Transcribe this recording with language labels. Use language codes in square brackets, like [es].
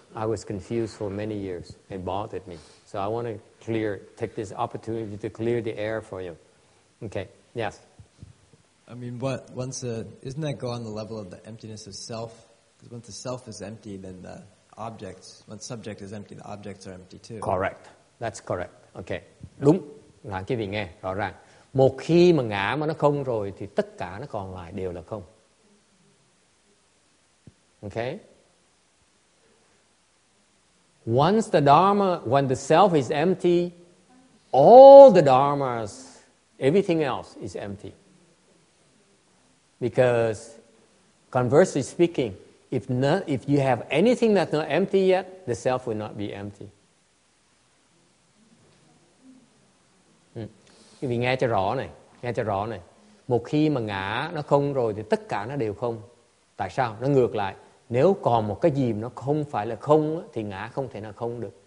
[en] I was confused for many years. It bothered me. So I want to take this opportunity to clear the air for you. Okay, yes. I mean, isn't that go on the level of the emptiness of self? Because once the self is empty, then the objects, when subject is empty, the objects are empty too. Correct. That's correct. [vi] Okay. Đúng. Là cái vị nghe rõ ràng. Một khi mà ngã mà nó không rồi thì tất cả nó còn lại đều là không. [en] Okay. Once the dharma, when the self is empty, all the dharmas, everything else is empty. Because conversely speaking, if you have anything that's not empty yet, the self will not be empty. [vi] Quý vị nghe cho rõ này, nghe cho rõ này. Một khi mà ngã nó không rồi thì tất cả nó đều không. Tại sao? Nó ngược lại. Nếu còn một cái gì nó không phải là không thì ngã không thể nào không được.